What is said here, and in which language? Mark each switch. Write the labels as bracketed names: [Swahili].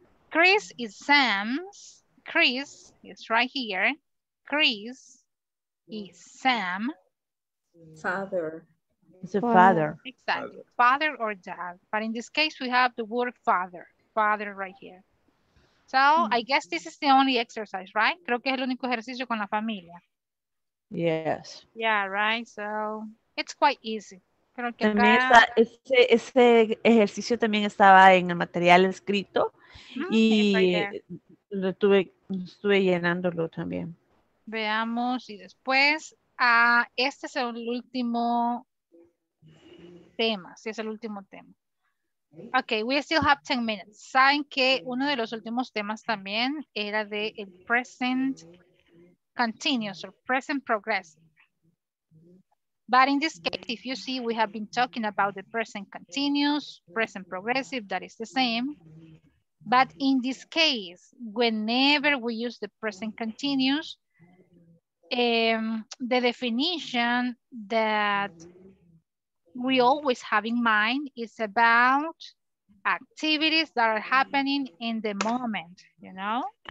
[English] Chris is Sam's. Chris is right here. Chris is Sam. Father. It's a father. Exactly. Father or dad. But in this case, we have the word father. Father right here. So I guess this is the only exercise, right? [Spanish] Creo que es el único ejercicio con la familia. [English] Yes. Yeah, right. So it's quite easy. [Spanish] Creo que también acá... ese ejercicio también estaba en el material escrito. Y lo estuve llenándolo también. Veamos, y después, este es el último tema, sí, es el último tema. [English] Ok, we still have 10 minutes. [Spanish] Saben que uno de los últimos temas también era de el [English] present continuous, or present progressive. But in this case, if you see, we have been talking about the present continuous, present progressive, that is the same. But in this case, whenever we use the present continuous, the definition that we always have in mind is about activities that are happening in the moment, you know?